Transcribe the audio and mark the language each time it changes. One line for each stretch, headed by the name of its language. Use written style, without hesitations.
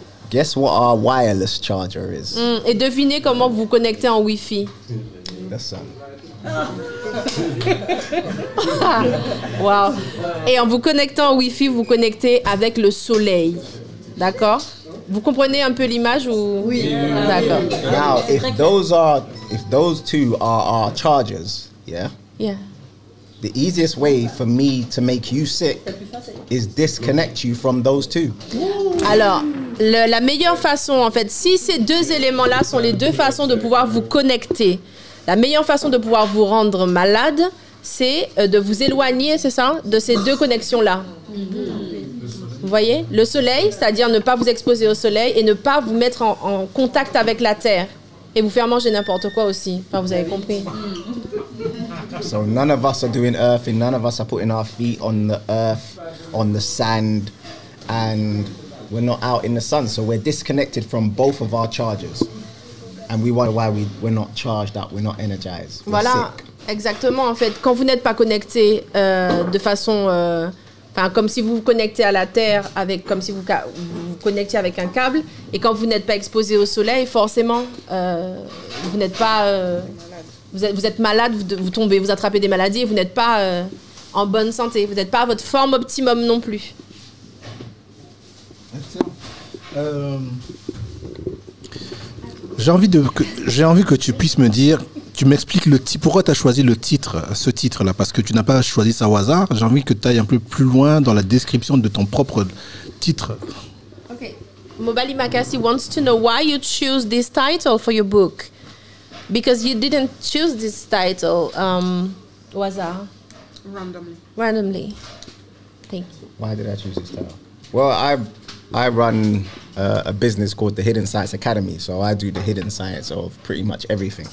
English: Guess what our wireless charger is.
French: Mm, et devinez comment vous vous connectez en Wi-Fi.
English: The sun. Wow.
French: Et en vous connectant au Wi-Fi, vous connectez avec le soleil. D'accord? Vous comprenez un peu l'image ou? Oui. D'accord.
English: Now, if those two are our chargers, yeah. Yeah. The easiest way for me to make you sick is disconnect you from those two.
French: Alors, la meilleure façon, en fait, si ces deux éléments-là sont les deux façons de pouvoir vous connecter. La meilleure façon de pouvoir vous rendre malade, c'est de vous éloigner, c'est ça, de ces deux connexions-là. Vous voyez? Le soleil, c'est-à-dire ne pas vous exposer au soleil et ne pas vous mettre en contact avec la terre et vous faire manger n'importe quoi aussi. Enfin, vous avez compris.
English: So none of us are doing earthing, none of us are putting our feet on the earth, on the sand, and we're not out in the sun, so we're disconnected from both of our chargers. And we wonder why we're not charged up, we're not energized. We're
French: voilà,
English: sick.
French: Exactement. En fait, quand vous n'êtes pas connecté de façon, enfin, comme si vous vous connectez à la terre avec, comme si vous connectiez avec un câble, et quand vous n'êtes pas exposé au soleil, forcément, vous n'êtes pas, vous êtes malade, vous tombez, vous attrapez des maladies, vous n'êtes pas en bonne santé, vous n'êtes pas à votre forme optimum non plus. J'ai envie que tu puisses me dire, tu m'expliques pourquoi tu as choisi le titre, ce titre-là, parce que tu n'as pas choisi ça au hasard. J'ai envie que tu ailles un peu plus loin dans la description de ton propre titre. Ok.
English: Mobali Makassi wants to know why you choose this title for your book. Because you didn't choose this title
French: au hasard.
English: Randomly. Thank you. Why did I choose this title? Well, I run a business called the Hidden Science Academy, so I do the hidden science of pretty much everything.